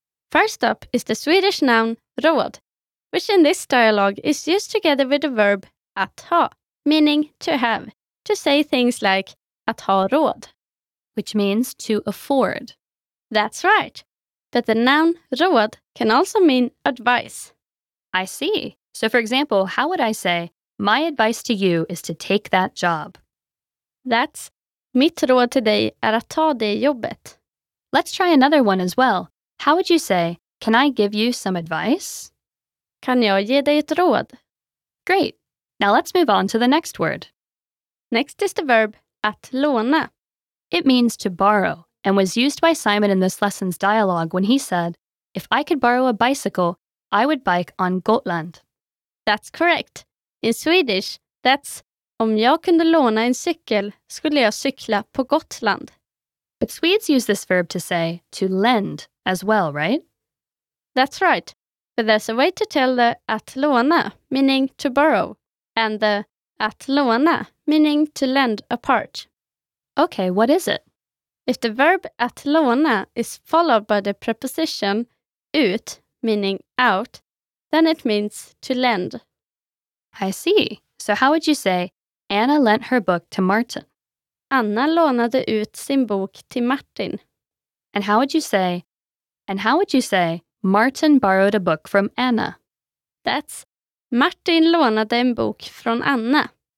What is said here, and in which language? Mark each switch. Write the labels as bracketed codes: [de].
[en] First up is the Swedish noun råd, which in this dialogue is used together with the verb att ha, meaning to have, to say things like att ha råd, which means to afford. That's right. But the noun råd can also mean advice. I see. So for example, how would I say, my advice to you is to take that job? That's [sv] mitt råd till dig är att ta det jobbet. [en] Let's try another one as well. How would you say, can I give you some advice? [sv] Kan jag ge dig ett råd? [en] Great. Now let's move on to the next word. Next is the verb att låna. It means to borrow and was used by Simon in this lesson's dialogue when he said, if I could borrow a bicycle, I would bike on Gotland. That's correct. In Swedish, that's [sv] om jag kunde låna en cykel skulle jag cykla på Gotland. [en] But Swedes use this verb to say to lend as well, right? That's right. But there's a way to tell the att låna, meaning to borrow, and the att låna, meaning to lend apart. Okay, what is it? If the verb att låna is followed by the preposition ut, meaning out, then it means to lend. I see. So how would you say, Anna lent her book to Martin? [sv] Anna lånade ut sin bok till Martin. [en] And how would you say, Martin borrowed a book from Anna? That's, [sv] Martin lånade en bok från Anna.